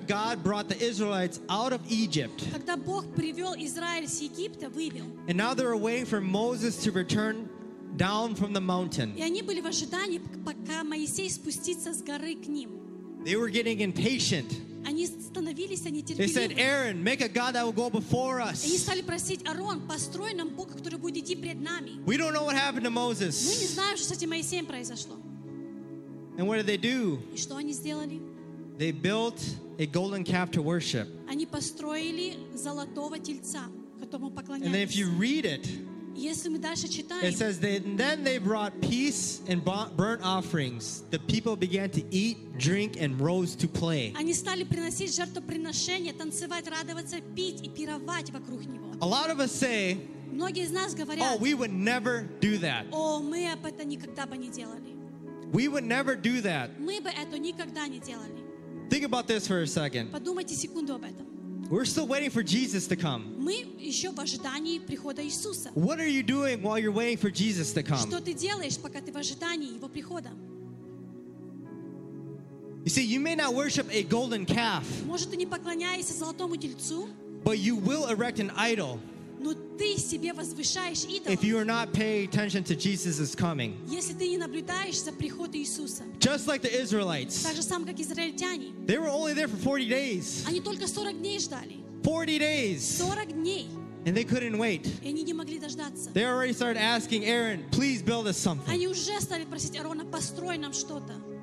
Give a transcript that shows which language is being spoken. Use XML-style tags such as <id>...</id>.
<en>God brought the Israelites out of Egypt,</en> <ru>когда Бог привел Израиль с Египта, вывел,</ru> <en>and now they're waiting for Moses to return down from the mountain.</en> <ru>И они были в ожидании, пока Моисей спустится с горы к ним.</ru> <en>They were getting impatient.</en> <ru>Они становились, они терпеливы.</ru> <en>They said, Aaron, make a God that will go before us.</en> <ru>Они стали просить, Арон, построй нам Бога, который будет идти пред нами.</ru> <en>We don't know what happened to Moses.</en> <ru>Мы не знаем, что с этим Моисеем произошло.</ru> <en>And what did they do?</en> <ru>И что они сделали?</ru> <en>They built a golden calf to worship.</en> <ru>Они построили золотого тельца, которому поклонялись.</ru> <en>And then if you read it,</en> <ru>если мы дальше читаем,</ru> <en>it says that then they brought peace and burnt offerings. The people began to eat, drink, and rose to play.</en> <ru>Они стали приносить жертвоприношения, танцевать, радоваться, пить и пировать вокруг него.</ru> <en>A lot of us say,</en> <ru>многие из нас говорят,</ru> <en>oh, we would never do that.</en> <ru>О, мы об это никогда бы не делали.</ru> <en>We would never do that.</en> <ru>Мы бы это никогда не делали.</ru> <en>Think about this for a second.</en> <ru>Подумайте секунду об этом.</ru> <en>We're still waiting for Jesus to come.</en> <ru>Мы еще в ожидании прихода Иисуса.</ru> <en>What are you doing while you're waiting for Jesus to come?</en> <ru>Что ты делаешь, пока ты в ожидании его прихода?</ru> <en>You see, you may not worship a golden calf.</en> <ru>Может, ты не поклоняешься золотому тельцу?</ru> <en>But you will erect an idol.</en> <ru>Но ты себе возвышаешь идол.</ru> <en>If you are not paying attention to Jesus' coming.</en> <ru>Если ты не наблюдаешь за приходом Иисуса.</ru> <en>Just like the Israelites.</en> <ru>Так же сам, как израильтяне.</ru> <en>They were only there for 40 days.</en> <ru>Они только 40 дней ждали.</ru> <en>40 days.</en> <ru>40 дней.</ru> <en>And they couldn't wait.</en> <ru>И они не могли дождаться.</ru> <en>They already started asking Aaron, please build us something.</en> <ru>Они уже стали просить Аарона, построй нам что-то.</ru>